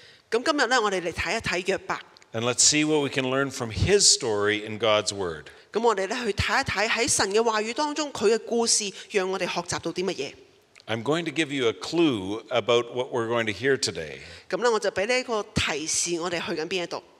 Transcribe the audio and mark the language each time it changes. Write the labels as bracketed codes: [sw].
[yue] 咁今日咧，我哋嚟睇一睇約伯。 [en] And let's see what we can learn from his story in God's Word. [yue] 咁我哋咧去睇一睇喺神嘅話語當中，佢嘅故事讓我哋學習到啲乜嘢。 [en] I'm going to give you a clue about what we're going to hear today. [yue] 咁咧，我就俾你一個提示，我哋去緊邊一度。